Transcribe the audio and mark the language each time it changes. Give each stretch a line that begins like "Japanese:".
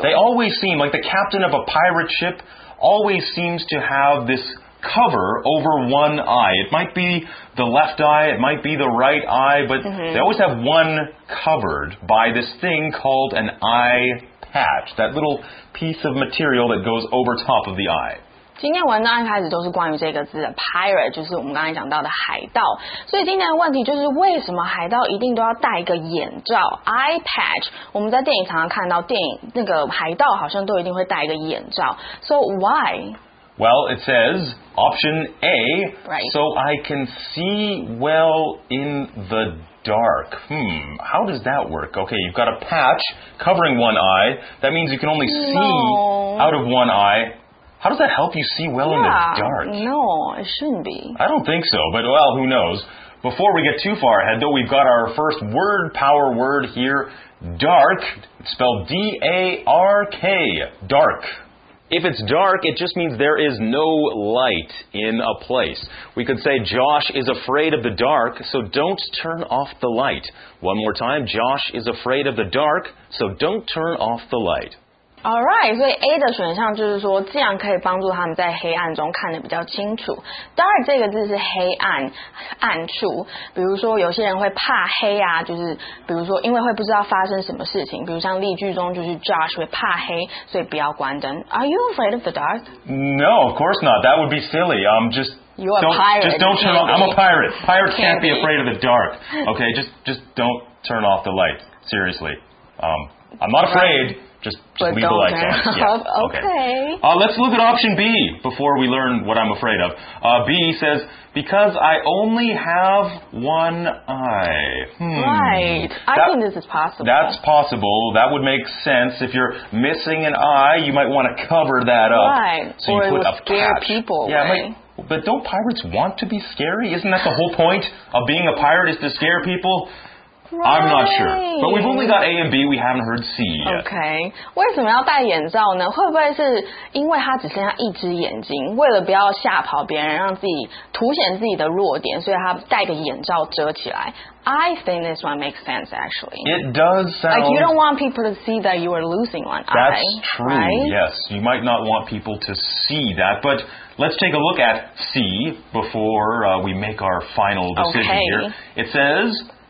English: They always seem like the captain of a pirate ship always seems to have this cover over one eye. It might be the left eye, it might be the right eye, but they always have one covered by this thing called an eye patch, that little piece of material that goes over top of the eye.
Chinese: 今天文章一开始都是关于这个字的 pirate， 就是我们刚才讲到的海盗。所以今天的问题就是，为什么海盗一定都要戴一个眼罩 eye patch？我们在电影常常看到电影那个海盗好像都一定会戴一个眼罩。
English: So why？ Well, it says option A,、 right. so I can see well in the dark. How does that work? Okay, you've got a patch covering one eye. That means you can only see out of one eye. How does that help you see well in the dark? No, it shouldn't be. I don't think so, but well, who knows? Before we get too far ahead, though, we've got our first word power word here, dark, spelled D-A-R-K, dark. If it's dark, it just means there is no light in a place. We could say Josh is afraid of the dark, so don't turn off the light. One more time, Josh is afraid of the dark, so don't turn off the light.
Chinese: All right, 所以 A 的选项就是说，这样可以帮助他们在黑暗中看得比较清楚。当然，这个字是黑暗、暗处。比如说，有些人会怕黑啊，就是比如说，因为会不知道发生什么事情。比如像例句中，就是 Josh 会怕黑，所以不要关灯。
English: Are you afraid of the dark? No, of course not. That would be silly. You are a pirate. Just don't turn off. I'm a pirate. Pirates can't be afraid of the dark. Okay, just don't turn off the light. Seriously, I'm not afraid. Just leave the lights on. Okay. Let's look at option B before we learn what I'm afraid of. B says, because I only have one eye. Right. I think this is possible. That's possible. That would make sense. If you're missing an eye, you might want to cover that up. Right. So you put a patch. Scare people, yeah, right? But don't pirates want to be scary? Isn't that the whole point of being a pirate is to scare people? Right. I'm not sure. But we've only got A and B, we haven't heard C yet.
Chinese: Okay. 为什么要戴眼罩呢？会不会是因为他只剩下一只眼睛，为了不要吓跑别人，让自己凸显自己的弱点，所以他戴个眼罩遮起来？
English: I think this one makes sense, actually. It does sound... Like, you don't want people to see that you are losing one eye. That's true, yes. You might not want people to see that. But let's take a look at C before we make our final decision here. It says...